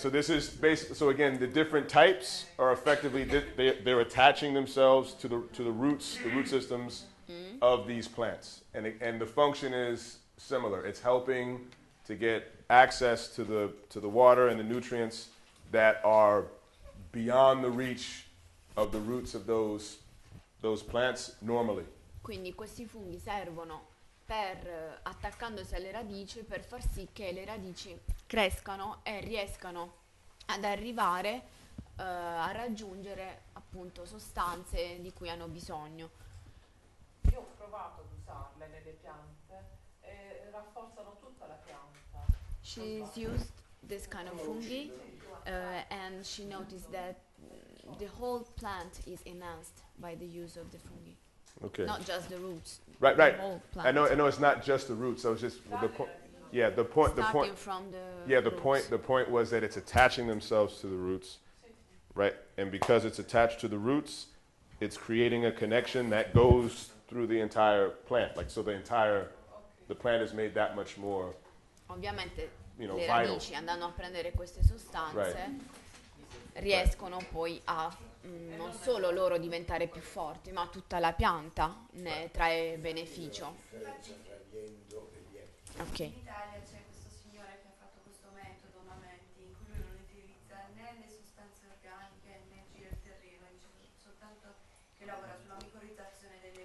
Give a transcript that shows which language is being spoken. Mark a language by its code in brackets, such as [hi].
[en] So this is so again the different types are effectively they're attaching themselves to the roots, the root systems of these plants. And the function is similar. It's helping to get access to the water and the nutrients that are beyond the reach of the roots of those plants normally. [it] Quindi questi funghi servono per attaccandosi alle radici per far sì che le radici crescano e riescano ad arrivare a raggiungere appunto sostanze di cui hanno bisogno. Io ho provato ad usarle nelle piante e rafforzano tutta la pianta. [en] She's used this kind of fungi and she noticed that the whole plant is enhanced by the use of the fungi. Okay. Not just the roots. Right. The whole plant. I know it's not just the roots. I was just the point was that it's attaching themselves to the roots. Right? And because it's attached to the roots, it's creating a connection that goes through the entire plant. Like so the plant is made that much more. [it] Ovviamente le radici andando a prendere queste sostanze riescono poi a non solo loro diventare più forti, ma tutta la pianta ne trae beneficio. Ok. In Italia c'è questo signore che ha fatto questo metodo, Movimenti, in cui lui non utilizza né le sostanze organiche né gira il terreno, soltanto che lavora sulla micorrizzazione delle